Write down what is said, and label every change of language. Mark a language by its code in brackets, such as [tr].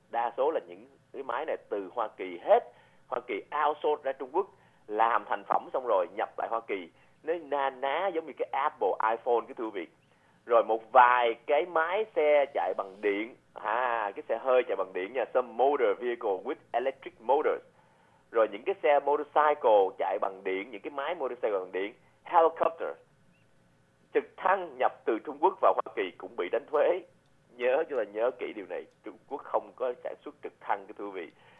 [vi] Đa số là những cái máy này từ Hoa Kỳ hết. Hoa Kỳ outsource ra Trung Quốc, làm thành phẩm xong rồi nhập lại Hoa Kỳ. Nó na ná giống như cái Apple iPhone, cái thưa quý vị. Rồi một vài cái máy xe chạy bằng điện. Cái xe hơi chạy bằng điện nha. [en] Some motor vehicle with electric motors. [vi] Rồi những cái xe motorcycle chạy bằng điện, những cái máy motorcycle bằng điện, helicopter, trực thăng nhập từ Trung Quốc vào Hoa Kỳ cũng bị đánh thuế. Nhớ cho là nhớ kỹ điều này, Trung Quốc không có sản xuất trực thăng, thưa quý vị.